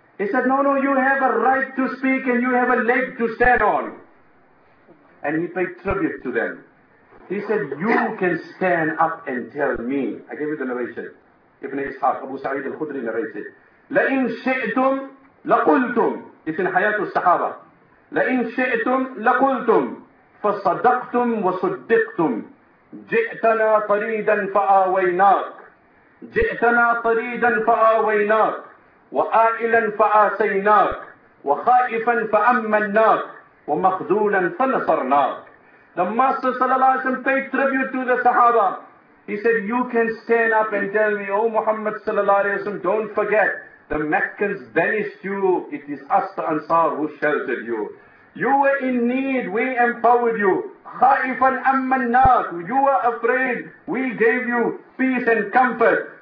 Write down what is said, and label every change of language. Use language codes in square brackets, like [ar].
[en] He said, no, you have a right to speak and you have a leg to stand on. And he paid tribute to them. He said, you can stand up and tell me. I gave you the narration. Ibn Ishaq, Abu Sa'id al-Khudri narrated. [ar] لَإِنْ شِئْتُمْ لَقُلْتُمْ [en] It's in Hayatul Sahaba. [ar] لَإِنْ شِئْتُمْ لَقُلْتُمْ فَصَدَقْتُمْ وَصُدِّقْتُمْ جِئْتَنَا طَرِيدًا فَآوَيْنَاكُ جئتنا طريدا فآويناك وآئلا فآسيناك وخائفا فأمناك ومخذولا فنصرناك [en] The Master sallallahu alayhi wa sallam paid tribute to the Sahaba. He said, you can stand up and tell me, O Muhammad sallallahu alayhi wa sallam, don't forget, the Meccans banished you, it is us the Ansar who sheltered you. You were in need, we empowered you. [ar] خائفا أمناك [en] You were afraid, we gave you peace and comfort.